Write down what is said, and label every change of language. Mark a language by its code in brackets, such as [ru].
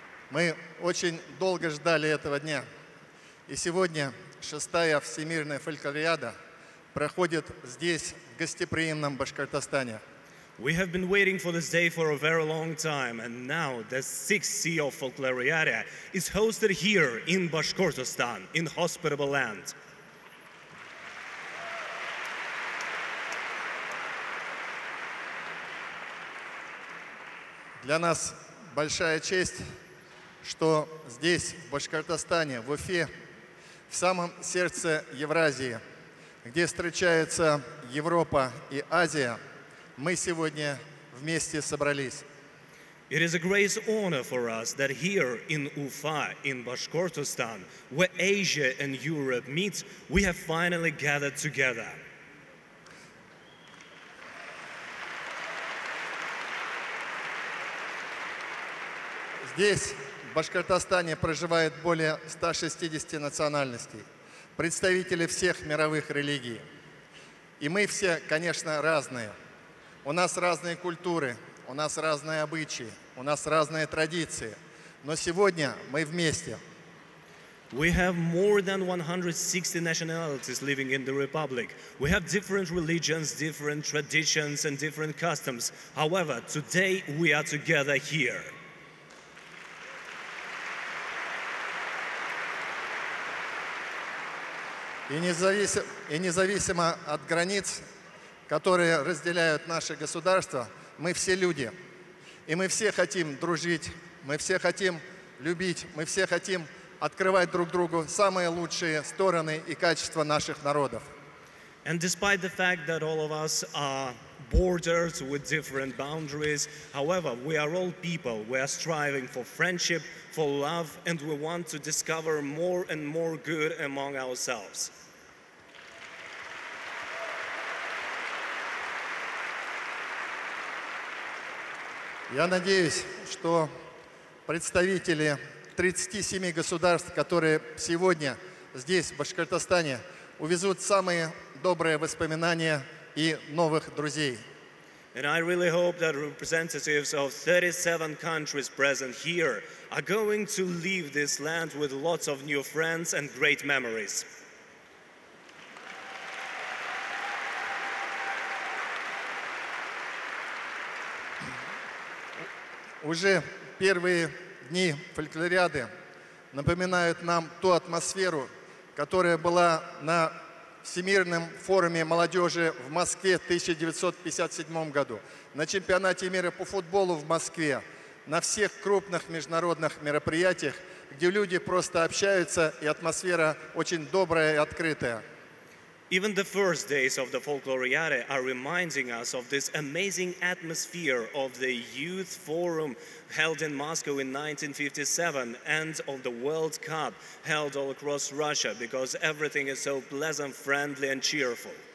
[ru] Мы очень долго ждали этого дня. И сегодня шестая всемирная фольклориада проходит здесь, в гостеприимном Башкортостане. [en] We have been waiting for this day for a very long time, and now the sixth CIOFF Folkloriada is hosted here in Bashkortostan, in hospitable land. [ru] Для нас большая честь, что здесь, в Башкортостане, в Уфе, в самом сердце Евразии, где встречаются Европа и Азия, мы сегодня вместе собрались. [en] It is a great honor for us that here in Ufa, in Bashkortostan, where Asia and Europe meet, we have finally gathered together. [ru] Здесь, в Башкортостане, проживает более 160 национальностей, представители всех мировых религий. И мы все, конечно, разные. У нас разные культуры, у нас разные обычаи, у нас разные традиции, но сегодня мы вместе. [en] We have more than 160 nationalities living in the Republic. We have different religions, different traditions and different customs. However, today we are together here. [ru] И независимо от границ, которые разделяют наше государство, мы все люди. И мы все хотим дружить, мы все хотим любить, мы все хотим открывать друг другу самые лучшие стороны и качества наших народов. [en] And despite the fact that all of us are borders with different boundaries, however, we are all people. We are striving for friendship, for love, and we want to discover more and more good among ourselves. [ru] Я надеюсь, что представители 37 государств, которые сегодня здесь, в Башкортостане, увезут самые добрые воспоминания и новых друзей. [en] And I really hope that representatives of 37 countries present here are going to leave this land with lots of new friends and great memories. [ru] Уже первые дни фольклориады напоминают нам ту атмосферу, которая была на Всемирном форуме молодежи в Москве в 1957 году, на чемпионате мира по футболу в Москве, на всех крупных международных мероприятиях, где люди просто общаются, и атмосфера очень добрая и открытая. [en] Even the first days of the Folkloriada are reminding us of this amazing atmosphere of the Youth Forum held in Moscow in 1957 and of the World Cup held all across Russia, because everything is so pleasant, friendly and cheerful.